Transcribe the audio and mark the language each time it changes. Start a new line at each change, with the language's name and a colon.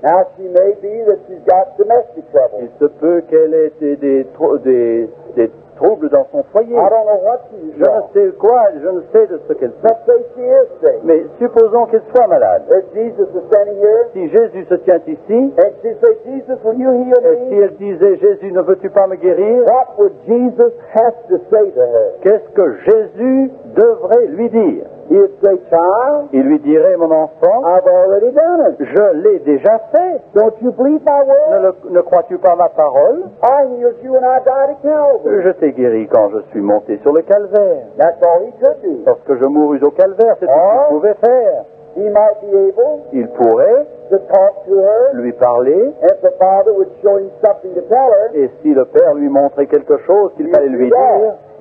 English: Now she may be that she's got domestic trouble.
French: Il se peut qu'elle ait des troubles dans son foyer.
English: I don't know what she's
French: Je ne sais quoi, je ne sais de ce qu'elle
English: fait. Let's say she is sick.
French: Mais supposons qu'elle soit malade.
English: If Jesus is standing here.
French: Si Jésus se tient ici.
English: And she say, Jesus, will you heal me?
French: Et si elle disait, Jésus, ne veux-tu pas me guérir?
English: What would Jesus have to say to her?
French: Qu'est-ce que Jésus devrait lui dire?
English: He'd say, child,
French: Il lui dirait, mon enfant,
English: I've already done it.
French: Je l'ai déjà fait.
English: Don't you believe my word?
French: Ne crois-tu pas ma parole?
English: I healed you when I died at Calvary.
French: Je t'ai guéri quand je suis monté sur le calvaire.
English: That's all he could do.
French: Lorsque je mourus au calvaire, c'est tout ce qu'il pouvait faire.
English: He might be able
French: Il pourrait
English: to talk to her,
French: lui parler
English: if the father would show him something to tell her,
French: et si le père lui montrait quelque chose qu'il fallait lui dire,